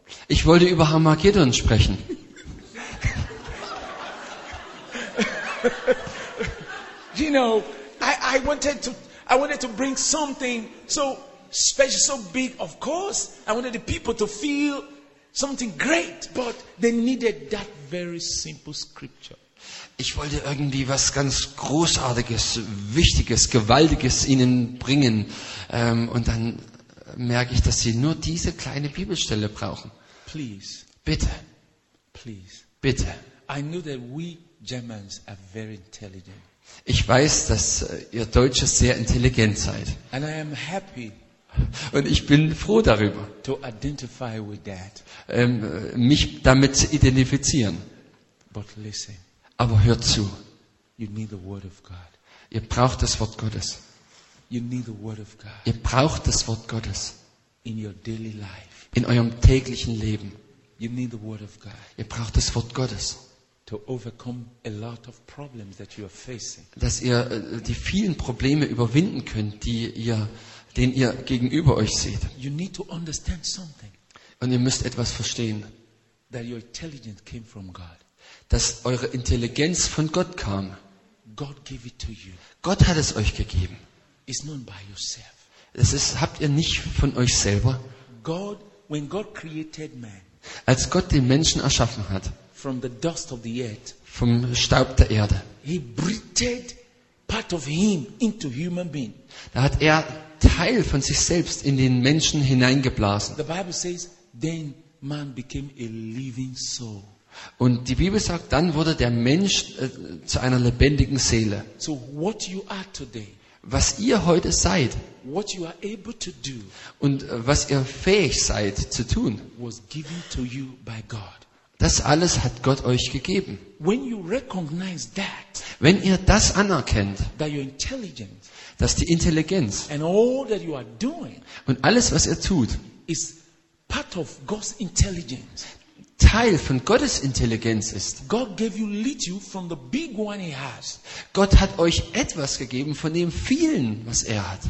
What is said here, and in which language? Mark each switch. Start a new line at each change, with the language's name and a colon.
German: Ich wollte über Armageddon sprechen.
English: You know, I wanted to bring something so special, so big. Of course, I wanted the people to feel something great, but they needed that very simple scripture.
German: Ich wollte irgendwie was ganz Großartiges, Wichtiges, Gewaltiges ihnen bringen, und dann merke ich, dass sie nur diese kleine Bibelstelle brauchen.
English: Please,
German: bitte,
English: please,
German: bitte.
English: I know that we Germans are very intelligent.
German: Ich weiß, dass ihr Deutsche sehr intelligent seid.
English: And I am happy.
German: Und ich bin froh darüber,
English: to identify with that.
German: Mich damit zu identifizieren.
English: But listen,
German: aber hört zu.
English: You need the word of God.
German: Ihr braucht das Wort Gottes.
English: You need the word of God.
German: Ihr braucht das Wort Gottes.
English: In your daily life.
German: In eurem täglichen Leben.
English: You need the word of God.
German: Ihr braucht das Wort Gottes.
English: To overcome a lot of problems that you are facing.
German: Dass ihr die vielen Probleme überwinden könnt, die ihr den ihr gegenüber euch seht.
English: You need to understand something.
German: Und ihr müsst etwas verstehen,
English: that your intelligence came from God.
German: Dass eure Intelligenz von Gott kam.
English: God gave it to you.
German: Gott hat es euch gegeben.
English: It's not by yourself.
German: Das ist, habt ihr nicht von euch selber.
English: God, when God created man,
German: als Gott den Menschen erschaffen hat,
English: from the dust of the earth,
German: vom Staub der Erde,
English: he breathed part of him into human being.
German: Da hat er Teil von sich selbst in den Menschen hineingeblasen.
English: The Bible says, then man became a living soul.
German: Und die Bibel sagt, dann wurde der Mensch zu einer lebendigen Seele.
English: So what you are today,
German: was ihr heute seid,
English: what you are able to do,
German: und was ihr fähig seid zu tun,
English: was given to you by God.
German: Das alles hat Gott euch gegeben.
English: When you recognize that,
German: wenn ihr das anerkennt,
English: that you're intelligent,
German: dass die Intelligenz
English: and all that you are doing,
German: und alles, was ihr tut, ist
English: part of God's intelligence.
German: Teil von Gottes Intelligenz ist.
English: God gave you little from the big one he has.
German: Gott hat euch etwas gegeben von dem vielen, was er hat.